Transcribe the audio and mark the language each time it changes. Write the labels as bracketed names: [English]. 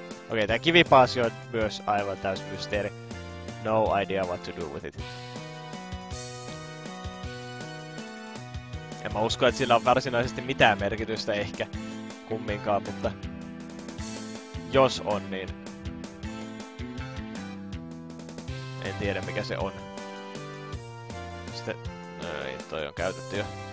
[Finnish] Okei, tää kivipaasi on myös aivan täys mysteeri. [English] No idea what to do with it. [Finnish] En mä usko, että sillä on varsinaisesti mitään merkitystä ehkä kumminkaan, mutta jos on, niin en tiedä mikä se on. Sitten, no ei, toi on käytetty jo.